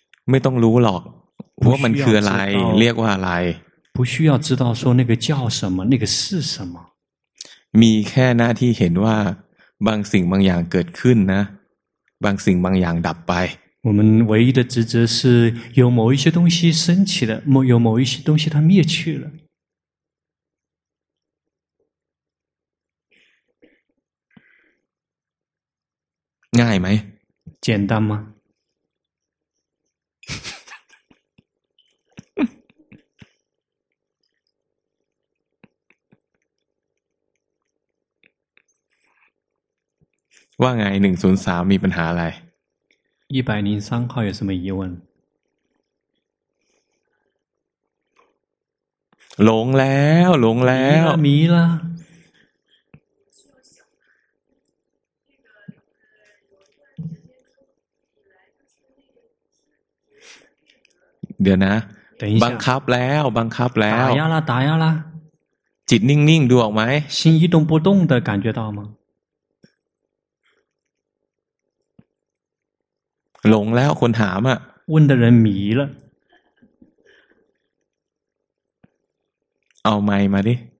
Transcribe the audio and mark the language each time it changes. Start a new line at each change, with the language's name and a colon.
Thai: ไม่ต้องรู้หรอกว่ามันคืออะไรเรียกว่าอะไร
Chinese: 不需要知道说那个叫什么那个是什么
Thai: มีแค่หน้าที่เห็นว่าบางสิ่งบางอย่างเกิดขึ้นนะบางสิ่งบางอย่างดับไป
Chinese: 我们唯一的职责是有某一些东西升起了有某一些东西它灭去了
Thai: ง่ายไหม
Chinese: 简单吗
Thai: ว่าไง103มีปัญหาอะไร
Chinese: 103ข้อ有什么疑问
Thai: หลงแล้วหลงแล้ว มีละ เดี๋ยวนะบังคับแล้วบังคับแล้ว ตายละตายละ จิตนิ่งๆดูออกไหม
Chinese: 心一动不动的感觉到吗
Thai: หลงแล้วคนถามอ่ะ
Chinese: 问的人迷了
Thai: เอาไมค์มาดิ